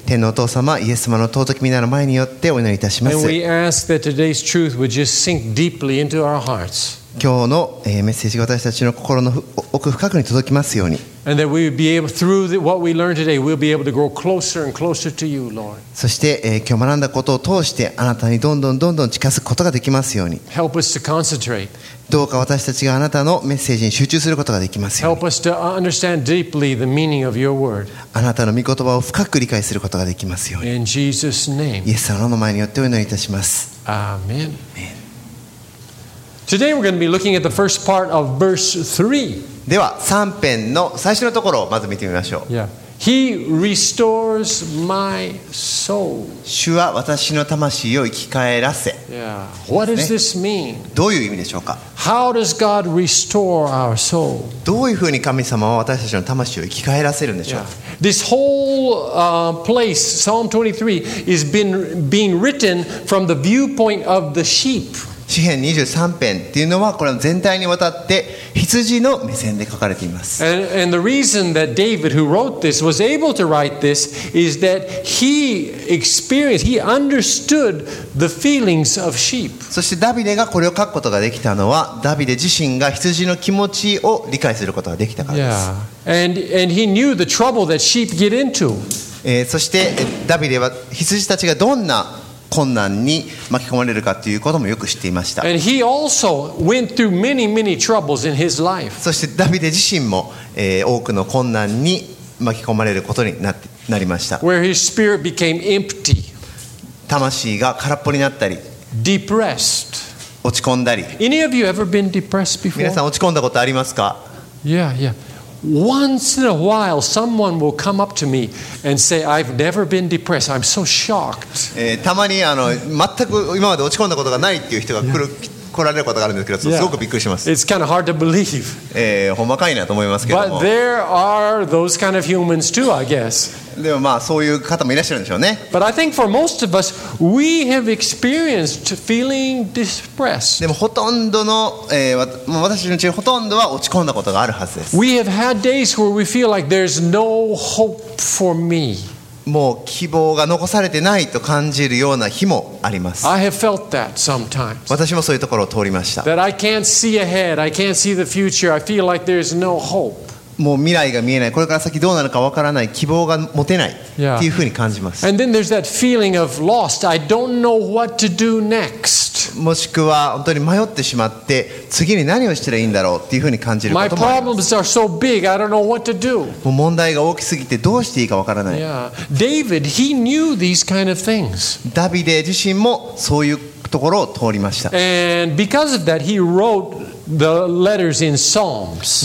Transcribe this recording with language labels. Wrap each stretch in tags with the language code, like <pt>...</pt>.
<ja>天のお父様、イエス様の尊き御名の前によってお祈りいたします。</ja> <en>And we ask that today's truth would just sink deeply into our hearts.</en> <ja>今日のメッセージが私たちの心の奥深くに届きますように。</ja> <en>And that we would be able, through what we learned today, we'll be able to grow closer and closer to you, Lord.</en> <ja>そして、今日学んだことを通して、あなたにどんどんどんどん近づくことができますように。</ja> <en>Help us to concentrate.</en> <ja>どうか私たちがあなたのメッセージに集中することができますように。</ja> <en>Help us to understand deeply the meaning of your word.</en> <ja>あなたの御言葉を深く理解することができますように。</ja> <en>In Jesus' name.</en> <ja>イエス様の名によってお祈りいたします。</ja> <en>Amen. Today we're going to be looking at the first part of verse 3.</en> <ja>では3編の最初のところをまず見てみましょう。</ja> <en>Yeah. He restores my soul.</en> <ja>主は私の魂を生き返らせ。</ja> <en>Yeah. What does this mean?</en> <ja>どういう意味でしょうか。</ja> <en>How does God restore our soul?</en> <ja>どういうふうに神様は私たちの魂を生き返らせるんでしょうか。</ja> <en>Yeah. This whole place, Psalm 23, is being written from the viewpoint of the sheep.</en> <ja>詩編23編っていうのはこれ全体にわたって羊の目線で書かれています。</ja> <en>And the reason that David, who wrote this, was able to write this, is that he experienced, he understood the feelings of sheep.</en> <ja>そしてダビデがこれを書くことができたのは、ダビデ自身が羊の気持ちを理解することができたからです。</ja> <en>Yeah. And he knew the trouble that sheep get into.</en> <ja>そしてダビデは羊たちがどんな困難に巻き込まれるかということもよく知っていました。</ja> <en>And he also went through many, many troubles in his life.</en> <ja>そしてダビデ自身も、多くの困難に巻き込まれることに なりました。</ja> <en>Where his spirit became empty.</en> <ja>魂が空っぽになったり、</ja> <en>depressed.</en> <ja>落ち込んだり。</ja> <en>Any of you ever been depressed before?</en> <ja>皆さん落ち込んだことありますか？</ja> <en>Yeah, yeah. Once in a while, someone will come up to me and say, "I've never been depressed. I'm so shocked."</en> <ja>たまに全く今まで落ち込んだことがないっていう人が来られることがあるんですけど、すごくびっくりします。</ja> <en>It's kind of hard to believe.</en> <ja>ほんまかいなと思いますけども。</ja> <en>But there are those kind of humans too, I guess.</en> <ja>でもそういう方もいらっしゃるんでしょうね。</ja> <en>But I think for most of us, we have experienced feeling depressed.</en> <ja>でもほとんどの、私のうちほとんどは落ち込んだことがあるはずです。</ja> <en>We have had days where we feel like there's no hope for me.</en> <ja>もう希望が残されてないと感じるような日もあります。</ja> <en>I have felt that sometimes. 私もそういうところを通りました。 That I can't see ahead. I can't see the future. I feel like there's no hope.</en> <ja>もう未来が見えない。これから先どうなるかわからない。希望が持てないっていうふうに感じます。</ja> <en>Yeah. And then there's that feeling of lost. I don't know what to do next.</en> <ja>もしくは本当に迷ってしまって、次に何をしたらいいんだろうっていうふうに感じることもあります。</ja> <en>My problems are so big. I don't know what to do.</en> <ja>もう問題が大きすぎてどうしていいかわからない。</ja> <en>Yeah. David, he knew these kind of things.</en> <ja>ダビデ自身もそういうところを通りました。</ja> <en>And because of that, he wrote the letters in Psalms.</en>